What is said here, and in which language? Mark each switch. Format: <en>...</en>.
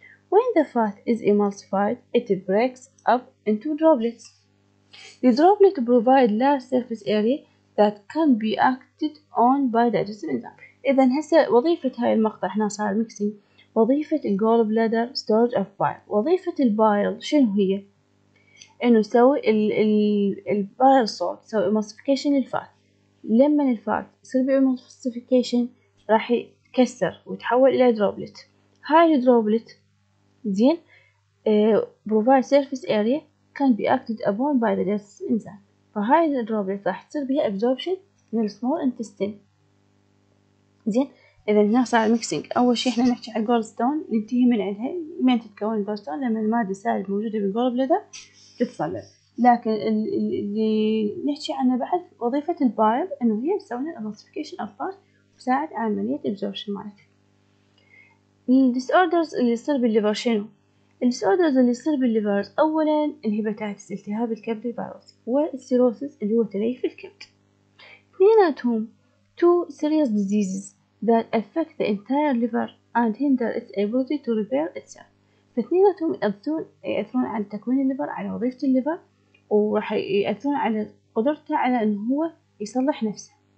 <en>When the fat is emulsified it breaks up into droplets. The droplet provide large surface area that can be acted on by digestive enzyme.</en> <ar>إذا هسه وظيفة هاي المقطع هنا صار ميكسين، وظيفة</ar> <en>الجول bladder storage of bile,</en> <ar>وظيفة البايل شنو هي؟ انه يسوي البايل صوت يسوي ايموسيفيكيشن للفات. لما الفات يصير بايموسيفيكيشن راح يتكسر ويتحول الى دروبلت.</ar> <en>هاي الدروبلت زين provide surface area can be acted upon by the this enzyme.</en> <ar>فهاي الدروبلت راح تصير بها ابزوربشن من السمول انتستين. زين، اذا هنا صار ميكسينج. اول شيء احنا نحكي على الجول ستون، ننتهي من عندها من تتكون الجول ستون لما الماده السائل الموجوده بالجول بلادر تتصلب. لكن اللي نحكي عنه بعد وظيفة البايل انه هي تسوي الاموسيفيكيشن اوف بايل وتساعد على عملية ابزوربشن مالتها. الديسوردرز اللي يصير بالليفر شنو؟ الديسوردرز اللي يصير بالليفر اولا الهيباتايتس التهاب الكبد الفيروسي والسيروسيس اللي هو تليف الكبد.</ar> <en>اثنيناتهم two serious diseases that affect the entire liver and hinder its ability to repair itself.</en> <ar>فاثنيناتهم يأثرون على تكوين الليفر، على وظيفة الليفر، وراح يأثرون على قدرته على إن هو يصلح نفسه.</ar>